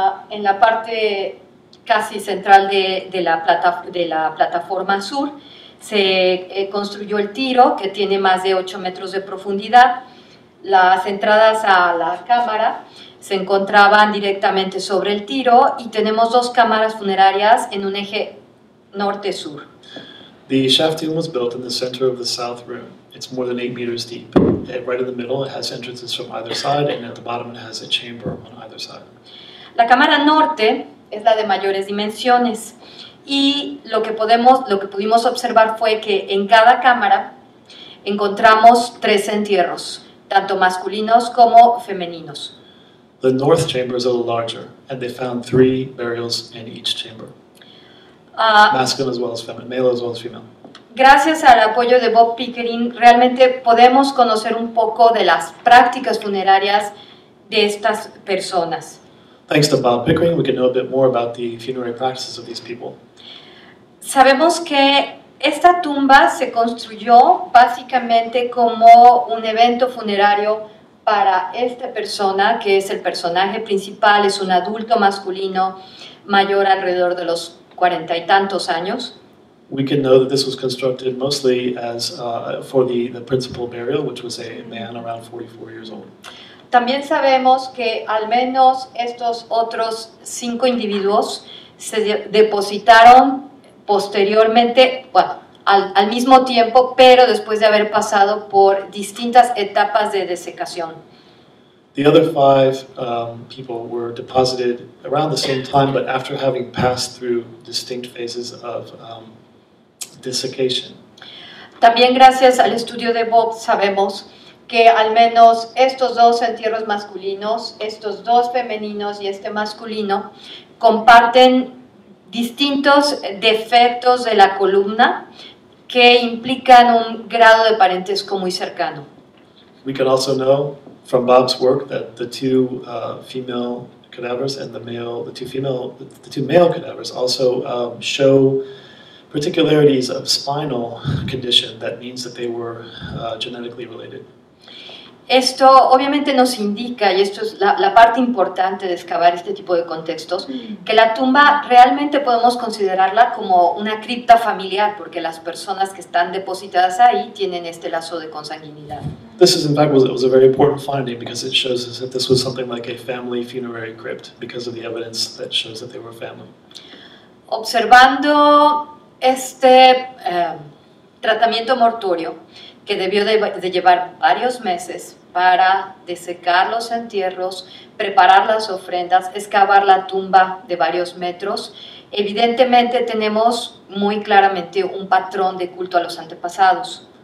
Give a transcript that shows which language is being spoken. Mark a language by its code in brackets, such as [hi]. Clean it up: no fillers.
[es] En la parte casi central de la plataforma sur se construyó el tiro que tiene más de 8 metros de profundidad. Las entradas a la cámara se encontraban directamente sobre el tiro y tenemos dos cámaras funerarias en un eje norte-sur. [en] The shaft tomb was built in the center of the south room. It's more than 8 meters deep. Right in the middle, it has entrances from either side, and at the bottom, it has a chamber on either side. [es] La cámara norte es la de mayores dimensiones, y lo que pudimos observar fue que en cada cámara encontramos tres entierros, tanto masculinos como femeninos. [en] The north chamber is a little larger, and they found three burials in each chamber. Masculine as well as feminine, male as well as female. [es] Gracias al apoyo de Bob Pickering, realmente podemos conocer un poco de las prácticas funerarias de estas personas. [en] Thanks to Bob Pickering, we can know a bit more about the funerary practices of these people. [es] Sabemos que esta tumba se construyó básicamente como un evento funerario para esta persona, que es el personaje principal, es un adulto masculino mayor alrededor de los 40 y tantos años. [en] We can know that this was constructed mostly as for the principal burial, which was a man around 44 years old. [es] También sabemos que al menos estos otros 5 individuos se depositaron posteriormente, bueno, al mismo tiempo, pero después de haber pasado por distintas etapas de desecación. [en] The other 5 people were deposited around the same time, but after having passed through distinct phases of desiccation. [es] También gracias al estudio de Bob sabemos que al menos estos 2 entierros masculinos, estos 2 femeninos y este masculino comparten distintos defectos de la columna que implican un grado de parentesco muy cercano. [en] We can also know from Bob's work that the 2 female cadavers and the two male cadavers also show particularities of spinal condition that means that they were genetically related. [es] Esto obviamente nos indica, y esto es la parte importante de excavar este tipo de contextos, que la tumba realmente podemos considerarla como una cripta familiar, porque las personas que están depositadas ahí tienen este lazo de consanguinidad. [en] This is in fact was a very important finding because it shows us that this was something like a family funerary crypt because of the evidence that shows that they were family. [es] Observando este tratamiento mortuorio que debió de llevar varios meses para desecar los entierros, preparar las ofrendas, excavar la tumba de varios metros. Evidentemente tenemos muy claramente un patrón de culto a los antepasados.